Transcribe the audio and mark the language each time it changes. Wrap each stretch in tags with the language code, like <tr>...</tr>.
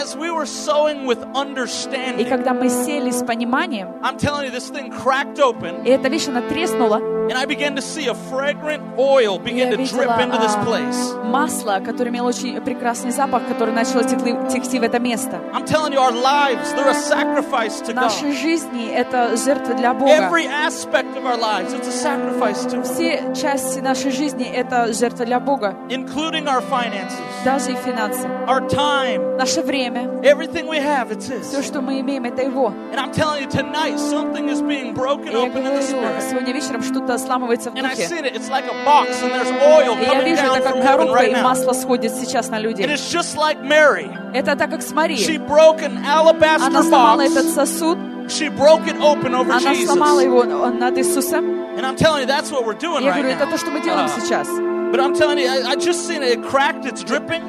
<en>As we were sowing with understanding,</en> <ru>и когда мы сеяли с пониманием,</ru> <en>I'm telling you, this thing cracked open,</en> <ru>и эта вещь, она треснула,</ru> <en>and I began to see a fragrant oil begin to drip into this place.</en> <ru>Масло, которое имело очень прекрасный запах, которое начало текти в это место.</ru> <en>I'm telling you, our lives, they're a sacrifice to God.</en> <ru>Наши жизни — это жертва для Бога.</ru> <en>Every aspect of our lives, it's a sacrifice to God.</en> <ru>Все части нашей жизни — это жертва для Бога.</ru> <en>Including our finances.</en> <ru>Даже и финансы.</ru> <en>Our time.</en> <ru>Наше время.</ru> <en>Everything we have, it's His.</en> <ru>Все, что мы имеем, это Его.</ru> <en>And I'm telling you, tonight, something is being broken open in the Spirit.</en> <ru>Сегодня вечером что-то сламывается в духе. И я вижу, это как коробка, и масло сходит сейчас на людей. Это так, как с Марией. Она сломала этот сосуд. Она сломала его над Иисусом. Я говорю, это то, что мы делаем сейчас.</ru> <en>But I'm telling you, I just seen it cracked, it's dripping.</en>